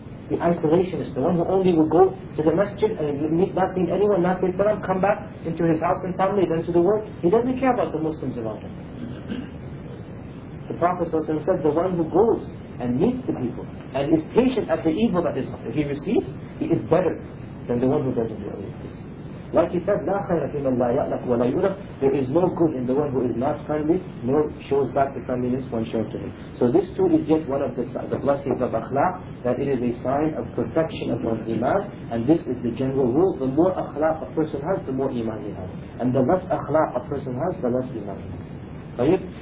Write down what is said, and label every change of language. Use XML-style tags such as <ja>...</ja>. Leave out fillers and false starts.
<en>The isolationist, the one who only will go to the masjid and not meet anyone, not say salam, come back into his house and family, then to the world, he doesn't care about the Muslims around him. The Prophet said, the one who goes and meets the people and is patient at the evil that he receives, he is better than the one who doesn't do any of this. Like he said,</en> <ar>لَا خَيْرَ فِي مَنْ لَا يَأْلَفُ وَلَا يُؤْلَفُ.</ar> <en>There is no good in the one who is not friendly, nor shows back the friendliness when shown to him. So this too is yet one of the blessings of akhlaq, that it is a sign of perfection of one's iman, and this is the general rule. The more akhlaq a person has, the more iman he has. And the less akhlaq a person has, the less iman he has. Right?</en>